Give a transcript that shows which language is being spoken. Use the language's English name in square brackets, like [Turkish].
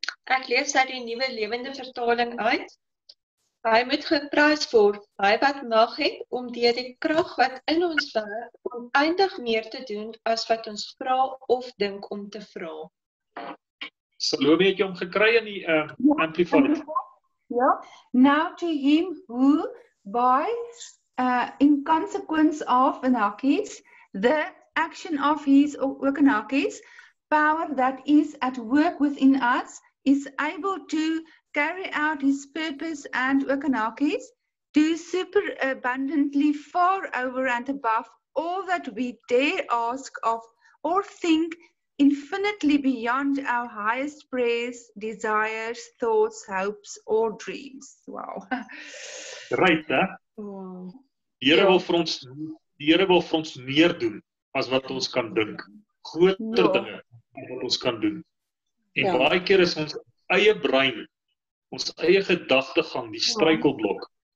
[Afrikaans] Ek lees uit die nuwe lewende vertaling uit. Hy moet geprys word, hy wat mag het om deur die krag wat in ons werk om eindig meer te doen as wat ons vra of dink om te vra. Salome, het jy hom gekry in die Amplified? [English] Ja, now to him who by in consequence of [Afrikaans] in hakies, [English] the action of his [Afrikaans] ook in hakies, [English] power that is at work within us is able to carry out his purpose and [Afrikaans] ook in hakies, [English] do super abundantly far over and above all that we dare ask of or think infinitely beyond our highest prayers, desires, thoughts, hopes or dreams. Wow. Right, hè? [Afrikaans] Die Here wil vir ons doen, die Here wil vir ons meer doen as wat ons kan dink. Groter dinge wat ons kan doen. En baie keer is ons eie brein, ons eie gedagtegang, die struikelblok.